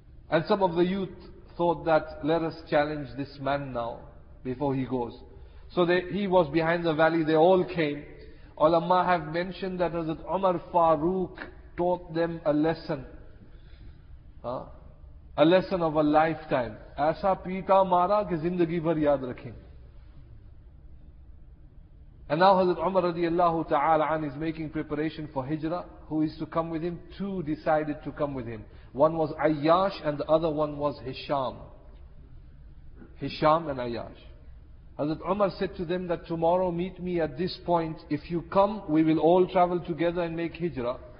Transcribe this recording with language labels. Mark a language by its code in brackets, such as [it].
[en] And some of the youth thought that, let us challenge this man now, before he goes. So they, he was behind the valley, they all came. Ulama have mentioned that Hazrat Umar Farooq taught them a lesson. A lesson of a lifetime. [ur] ایسا پیٹا مارا کے زندگی بھر یاد رکھیں. [en] And now Hazrat Umar radiallahu ta'ala an is making preparation for hijrah. Who is to come with him? Two decided to come with him. One was Ayyash and the other one was Hisham. Hisham and Ayyash. Hazrat Umar said to them that tomorrow meet me at this point. If you come, we will all travel together and make hijrah.